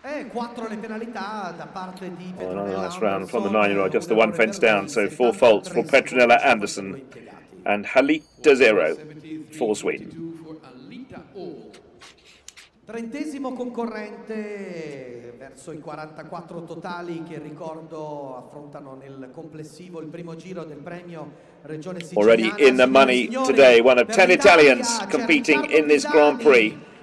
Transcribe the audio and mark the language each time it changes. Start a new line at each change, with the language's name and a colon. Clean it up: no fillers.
Italian: Quattro le penalità da parte di Petronella.
English: Another nice round from the 9-year-old, just the one fence down, so four faults for Petronella Andersson and Halita Zero for Sweden.
Italian: Trentesimo concorrente verso i 44 totali che ricordo affrontano nel complessivo il primo giro del premio Regione Siciliana.
English: Already in the money today, one of 10 Italians competing in this Grand Prix.